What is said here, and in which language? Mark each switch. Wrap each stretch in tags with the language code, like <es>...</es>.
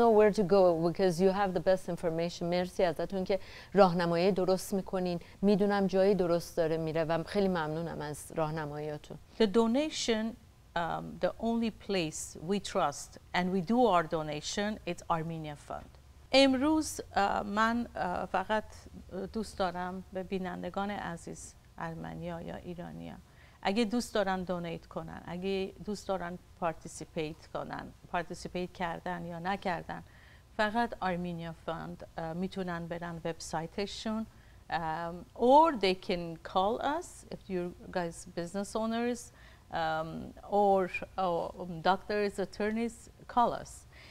<en>Know where to go because you have the best information.</en> <fa>مرسی ازتون که راهنمایی درست میکنین. میدونم جایی درست داره میره و خیلی ممنونم از راهنماییاتون.</fa> <en>The donation, the only place we trust and we do our donation, it's Armenia Fund.</en> <fa>امروز من فقط دوست دارم به بینندگان عزیز ارمنیا یا ایرانیا اگه دوست دارن دونیت کنن، اگه دوست دارن پارتیسیپیت کنن، پارتیسیپیت کردن یا نکردن، فقط آرمینیا فاند میتونن برن وبسایتشون</fa> <en>or they can call us if you guys business owners or doctors, attorneys, call us.</en>